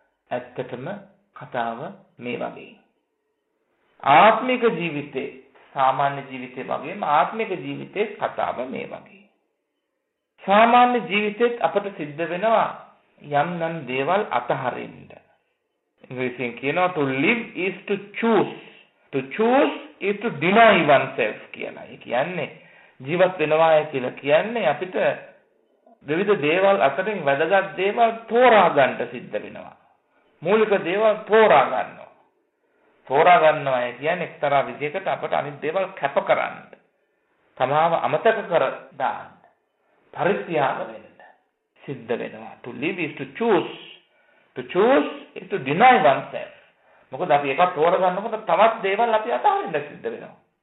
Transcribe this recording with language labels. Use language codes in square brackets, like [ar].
[si] ඇත්තටම කතාව මේ වගේ. ආත්මික ජීවිතේ සාමාන්‍ය ජීවිතේ වගේම ආත්මික ජීවිතේ කතාව මේ වගේ. සාමාන්‍ය ජීවිතෙත් අපට සිද්ධ වෙනවා යම්නම් දේවල් අතහරින්න. ඉංග්‍රීසියෙන් කියනවා [en] to live is to choose. To choose is to deny oneself [si] කියලා. ඒ කියන්නේ ජීවත් වෙනවා කියලා කියන්නේ අපිට විවිධ දේවල් අතරින් වැදගත් දේවල් තෝරා ගන්න සිද්ධ වෙනවා. මූලික දේවල් තෝරා ගන්නවා. තෝරා ගන්නවා කියන්නේ එක්තරා විදිහකට අපට අනිත් දේවල් කැප කරන්න. තමාව අමතක කර දාන්න. පරිත්‍යාග වෙන්න සිද්ධ වෙනවා. [en] To live is to choose. To choose is to deny oneself. [si] මොකද අපි එකක් තෝරා ගන්නකොට තවත් දේවල් අපි අතහරින්න සිද්ධ වෙනවා.